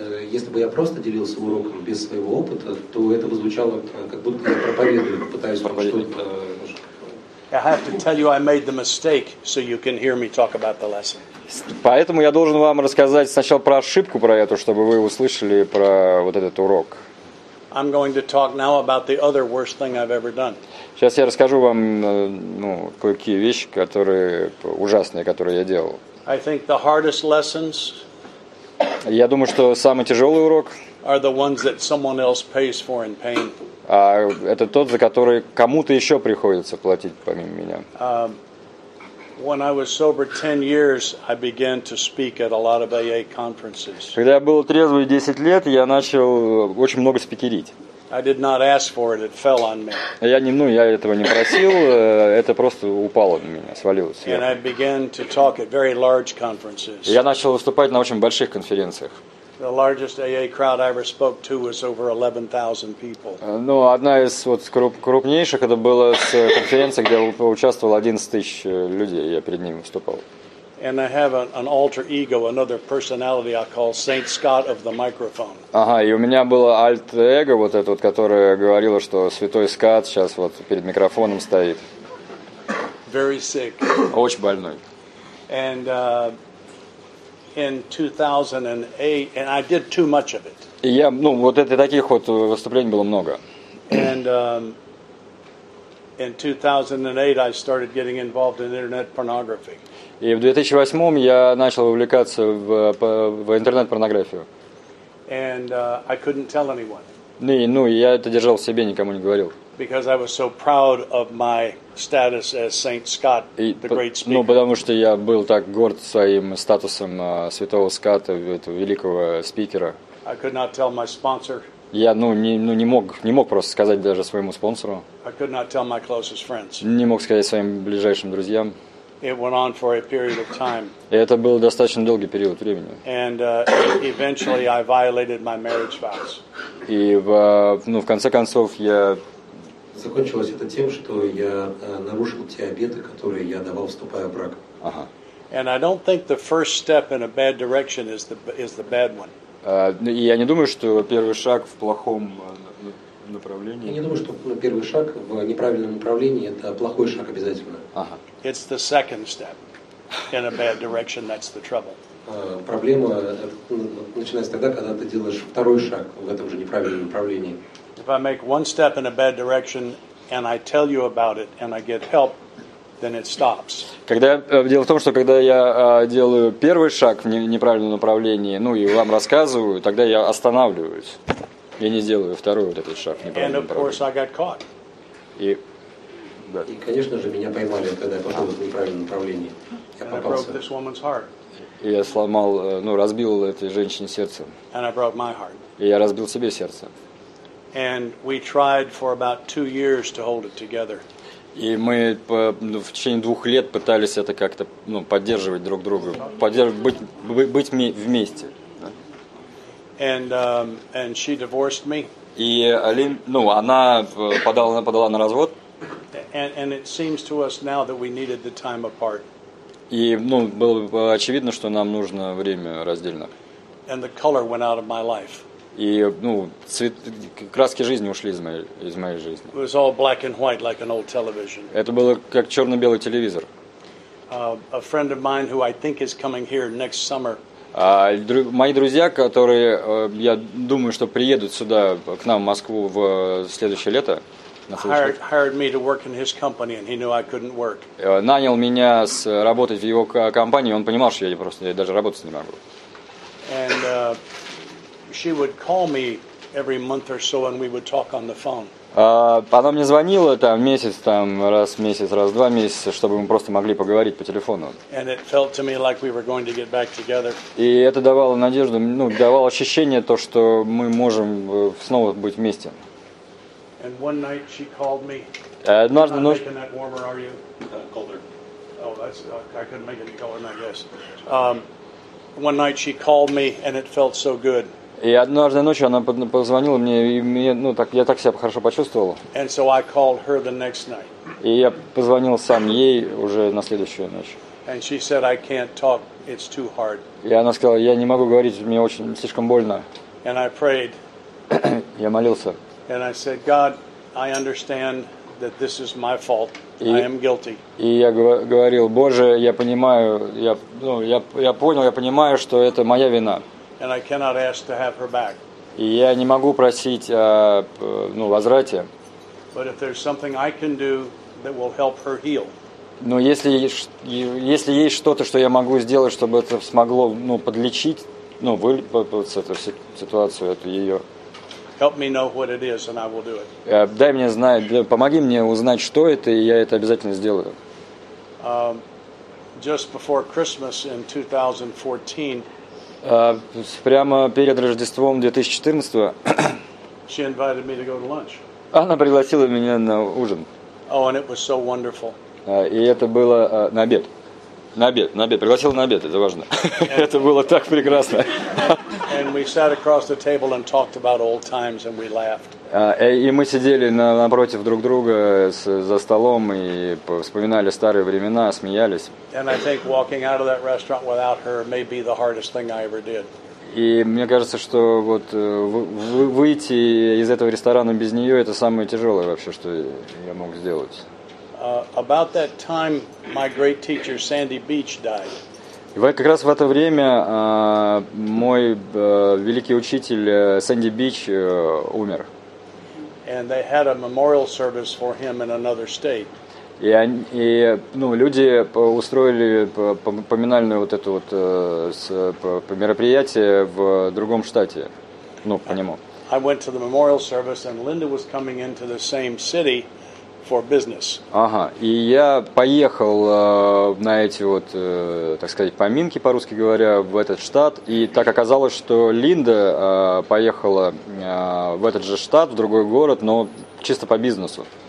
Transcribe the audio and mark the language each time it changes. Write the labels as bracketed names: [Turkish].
[Russian] Если бы я просто делился уроком без своего опыта, то это бы звучало как будто я проповедую, пытаюсь что-то. [English] I have to tell you I made the mistake so you can hear me talk about the lesson. [Russian] Поэтому я должен вам рассказать сначала про ошибку, про эту, чтобы вы услышали про вот этот урок. [English] I'm going to talk now about the other worst thing I've ever done. [Russian] Сейчас я расскажу вам, кое-какие вещи, которые ужасные, которые я делал. [English] I think the hardest lessons. [Russian] Я думаю, что самый тяжёлый урок [English] are the ones that someone else pays for in pain. [Russian] А это тот, за который кому-то еще приходится платить, помимо меня. [English] When I was sober 10 years, I began to speak at a lot of AA conferences. [Russian] Когда я был трезвый 10 лет, я начал очень много спикерить. [English] I did not ask for it; it fell on me. [Russian] Я этого не просил, это просто упало на меня, свалилось. [English] And I began to talk at very large conferences. [Russian] Я начал выступать на очень больших конференциях. [English] The largest AA crowd I ever spoke to was over 11,000 people. [Russian] Одна из крупнейших это была конференция, где участвовало 11,000 людей, я перед ними выступал. [English] And I have an alter ego, another personality I call Saint Scott of the microphone. [Russian] Ага, и у меня было альтер эго вот это, которое говорило, что Святой Скотт сейчас перед микрофоном стоит. [English] Very sick. [Russian] Очень больной. [English] And in 2008, and I did too much of it. [Russian] Я, таких выступлений было много. [English] And in 2008, I started getting involved in internet pornography. [Russian] И в 2008 я начал увлекаться в интернет-порнографию. [English] And I couldn't tell anyone. [Russian] Я это держал в себе, никому не говорил. [English] Because I was so proud of my status as Saint Scott, the great speaker. [Russian] Потому что я был так горд своим статусом Святого Скотта, этого великого спикера. [English] I could not tell my sponsor. [Russian] Я, не мог просто сказать даже своему спонсору. [English] I could not tell my closest friends. [Russian] Не мог сказать своим ближайшим друзьям. [English] It went on for a period of time. [Russian] И это был достаточно долгий период времени. [English] And eventually I violated my marriage vows. [Russian] И в конце концов я закончилось это тем, что я нарушил те обеты, которые я давал, вступая в брак. Ага. [English] And I don't think the first step in a bad direction is the bad one. [Russian] Я не думаю, что первый шаг в плохом направлении. Я не думаю, что первый шаг в неправильном направлении это плохой шаг обязательно. Ага. [English] It's the second step in a bad direction that's the trouble. [Russian] Проблема начинается тогда, когда ты делаешь второй шаг в этом же неправильном направлении. [English] If I make one step in a bad direction and I tell you about it and I get help, then it stops. [Russian] Когда я делаю первый шаг в неправильном направлении, и вам рассказываю, тогда я останавливаюсь. Я не сделаю второй вот этот шаг. [English] And of course I got caught. [Russian] И, да. И, конечно же, меня поймали, когда я пошел в неправильном направлении. Я попался. [English] And I broke this woman's heart. [Russian] И я сломал, ну, разбил этой женщине сердце. [English] And I broke my heart. [Russian] И я разбил себе сердце. [English] And we tried for about 2 years to hold it together. [Russian] И мы в течение 2 лет пытались это как-то, ну, поддерживать друг друга, быть вместе. [English] And she divorced me. [Russian] И Алин, ну, она подала на развод. [English] And it seems to us now that we needed the time apart. [Russian] И, ну, было очевидно, что нам нужно время раздельно. [English] And the color went out of my life. [Russian] И, ну, краски жизни ушли из моей жизни. [English] It was all black and white, like an old television. [Russian] Это было как черно-белый телевизор. [English] A friend of mine who I think is coming here next summer. [Russian] Мои друзья, которые, я думаю, что приедут сюда к нам в Москву в следующее лето. [English] Hired me to work in his company, and he knew I couldn't work. [Russian] Нанял меня с работать в его компании. Он понимал, что я даже работать не могу. [English] And she would call me every month or so, and we would talk on the phone. [Russian] Она мне звонила там месяц, там раз в месяц, раз в 2 месяца, чтобы мы просто могли поговорить по телефону. [English] And it felt to me like we were going to get back together. [Russian] И это давало надежду, ну, давало ощущение то, что мы можем снова быть вместе. [English] And one night she called me. [Russian] Однажды ночью. [English] Making that warmer, are you? Colder. Oh, that's I couldn't make any colder, I guess. One night she called me, and it felt so good. [Russian] И однажды ночью она позвонила мне, и мне, ну, так, я так себя хорошо почувствовал. [English] And so I called her the next night. [Russian] И я позвонил сам ей уже на следующую ночь. [English] And she said, I can't talk. It's too hard. [Russian] И она сказала, я не могу говорить, мне очень слишком больно. [English] And I prayed. [Russian] Я молился. [English] And I said, God, I understand that this is my fault. I am guilty. [Russian] И я говорил, Боже, я понимаю, я понял, я понимаю, что это моя вина. [English] And I cannot ask to have her back. [Russian] И я не могу просить, ну, возврате. [English] But if there's something I can do that will help her heal. [Russian] Но если есть что-то, что я могу сделать, чтобы это смогло, ну, подлечить, ну, вылечить эту ситуацию, эту ее. [English] Help me know what it is, and I will do it. [Russian] Дай мне знать, помоги мне узнать, что это, и я это обязательно сделаю. [English] Just before Christmas in 2014. [Russian] Прямо перед Рождеством 2014. [English] She invited me to go to lunch. [Russian] Она пригласила меня на ужин. [English] Oh, and it was so wonderful. [Russian] И это было на обед. Пригласила на обед, это важно. Это было так прекрасно. [English] And we sat across the table and talked about old times, and we laughed. [Russian] И мы сидели напротив друг друга за столом и вспоминали старые времена, смеялись. [English] And I think walking out of that restaurant without her may be the hardest thing I ever did. [Russian] И мне кажется, что вот выйти из этого ресторана без нее — это самое тяжелое вообще, что я мог сделать. [English] About that time, my great teacher Sandy Beach died. [Russian] Как раз в это время мой великий учитель Сэнди Бич умер. [English] And they had a memorial service for him in another state. [Russian] И ну, люди устроили поминальное вот это вот мероприятие в другом штате, ну, по нему. [English] I went to the memorial service, and Linda was coming into the same city for business. [Russian] Ага. И я поехал на эти вот, так сказать, поминки, по-русски говоря, в этот штат, и так оказалось, что Линда поехала в этот же штат, в другой город, но чисто по бизнесу.